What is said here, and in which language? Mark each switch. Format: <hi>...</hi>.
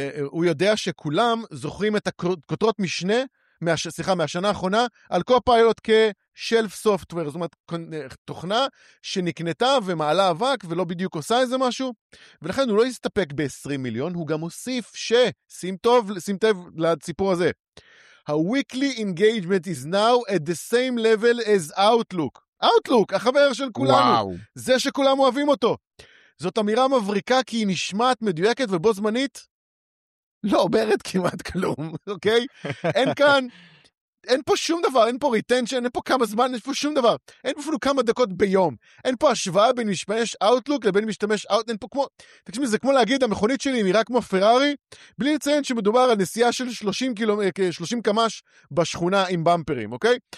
<he>הוא יודע שכולם זוכרים את הכותרות משנה, סליחה, מהשנה האחרונה, על קופיילוט כשלף סופטוור, זאת אומרת, תוכנה שנקנתה ומעלה אבק ולא בדיוק עושה איזה משהו, ולכן הוא לא הסתפק ב-20 מיליון, הוא גם הוסיף שים טב לסיפור הזה.</he> <en>ה-weekly engagement is now at the same level as Outlook.</en> <he>Outlook, החבר של כולנו. וואו. זה שכולם אוהבים אותו. זאת אמירה מבריקה כי היא נשמעת מדויקת ובו זמנית, לא אומרת כמעט כלום, אוקיי? אין כאן, אין פה שום דבר, אין פה retention, אין פה כמה זמן, אין פה שום דבר. אין פה אפילו כמה דקות ביום. אין פה השוואה בין משתמש Outlook לבין משתמש Outlook, אין פה כמו, תקשמי, זה כמו להגיד, המכונית שלי נראה כמו פרארי, בלי לציין שמדובר על נסיעה של 30 קמ"ש בשכונה עם במפרים, אוקיי?</he>